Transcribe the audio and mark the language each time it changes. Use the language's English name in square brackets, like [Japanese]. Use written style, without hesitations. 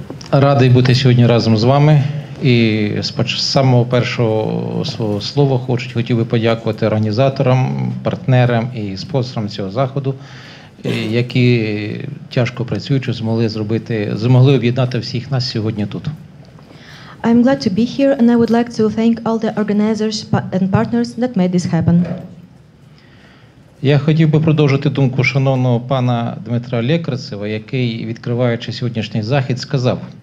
[Ukrainian] Радий бути сьогодні разом з вами. І з самого першого свого слова хотів би подякувати організаторам, партнерам і спонсорам цього заходу, які тяжко працюючи змогли об'єднати всіх нас сьогодні тут. [English] I'm glad to be here and I would like to thank all the organizers and partners that made this happen. [Ukrainian] Я хотів би продовжити думку шановного пана Дмитра Лекарцева, який, відкриваючи сьогоднішній захід, сказав.